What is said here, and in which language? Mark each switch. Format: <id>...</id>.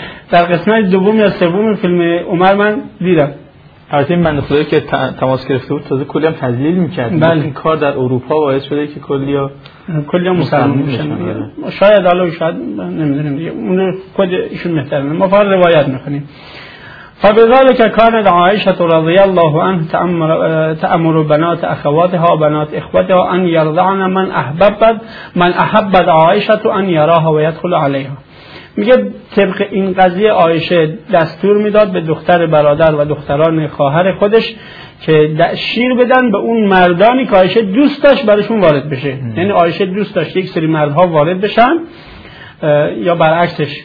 <fa>در قسمت دوم یا سوم فیلم عمر من دیدم، البته این بنده خدایی که تماس گرفته بود تازه کلی هم تذلیل میکرد. بله. این کار در اروپا باعث شده که کلی ها مسلمان میشن. شاید حالا شاید نمیدونیم دیگه، اون خود ایشون محترمه، ما فقط روایت میکنیم.</fa> <ar>فبذلك كانت عائشة رضي الله عنها تأمر بنات أخواتها وبنات إخوتها أن يرضعن من أحبت عائشة أن يراها ويدخل عليها.</ar> <fa>میگه طبق این قضیه عایشه دستور میداد به دختر برادر و دختران خواهر خودش که شیر بدن به اون مردانی که عایشه دوست داشت برشون وارد بشه. یعنی عایشه دوست داشت یک سری مردها وارد بشن، یا برعکسش،</fa>